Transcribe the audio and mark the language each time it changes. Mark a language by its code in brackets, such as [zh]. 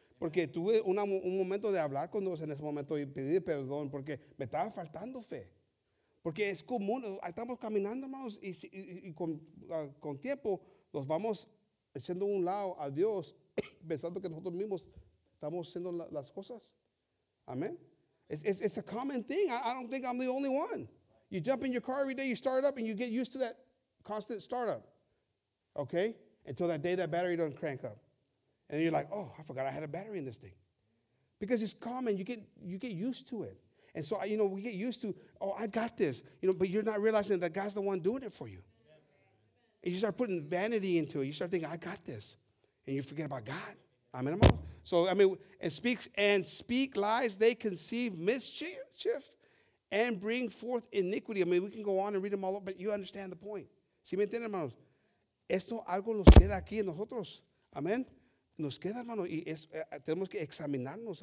[es] Porque tuve un momento de hablar con Dios en ese momento y pedir perdón porque me estaba faltando fe. Porque es común, estamos caminando, hermanos, y con tiempo nos vamos echando un lado a Dios, pensando que nosotros mismos estamos haciendo las cosas. [en] Amén. It's a common thing. I don't think I'm the only one. You jump in your car every day, you start up, and you get used to that constant startup. Okay? Until that day that battery doesn't crank up. And then you're like, oh, I forgot I had a battery in this thing. Because it's common. You get used to it. And so, you know, we get used to, oh, I got this. You know, but you're not realizing that God's the one doing it for you. And you start putting vanity into it. You start thinking, I got this. And you forget about God. I mean, speak lies, they conceive mischief and bring forth iniquity. I mean, we can go on and read them all up, but you understand the point. [es] ¿Sí me entienden, hermanos? Esto algo nos queda aquí en nosotros. Amén. Nos queda, hermano, y es, tenemos que examinarnos.